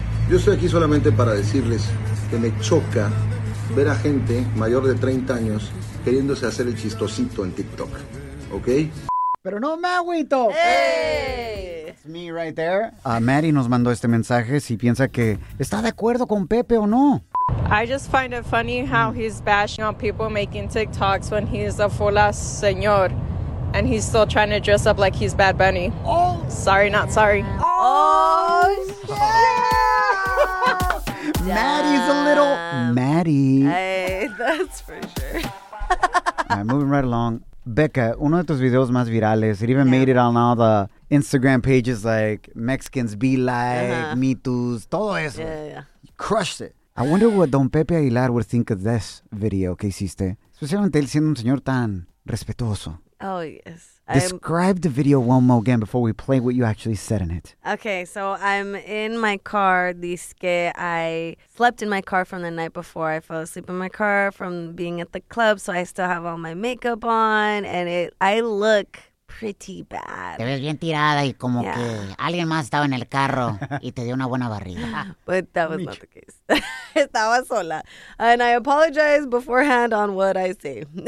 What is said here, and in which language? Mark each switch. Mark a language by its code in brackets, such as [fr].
[es] Yo estoy aquí solamente para decirles que me choca ver a gente mayor de 30 años queriéndose hacer el chistosito en TikTok, ¿ok? ¡Pero no me agüito! ¡Hey! [en] It's me right there. [es] Mary nos mandó este mensaje si piensa que está de acuerdo con Pepe o no. [en] I just find it funny how he's bashing on people making TikToks when he's a full ass señor and he's still trying to dress up like he's Bad Bunny. Oh! Sorry, not sorry. Oh, shit! Maddie's a little... Maddie. Hey, that's for sure. All right, moving right along. Becca, [es] uno de tus videos más virales, [en] it even made it on all the Instagram pages like Mexicans Be Like, Me Too's, [es] todo eso. [en] Yeah. Crushed it. I wonder what Don Pepe Aguilar would think of this video [es] que hiciste, especialmente él siendo un señor tan respetuoso. [en] Oh, yes. Describe the video one more again before we play what you actually said in it. Okay, so I'm in my car. Dizque I slept in my car from the night before. I fell asleep in my car from being at the club, so I still have all my makeup on, and I look pretty bad. [es] Te ves bien tirada y como yeah. que alguien más estaba en el carro y te dio una buena barrida. [en] But that was not the case. [es] Estaba sola. [en] And I apologize beforehand on what I say.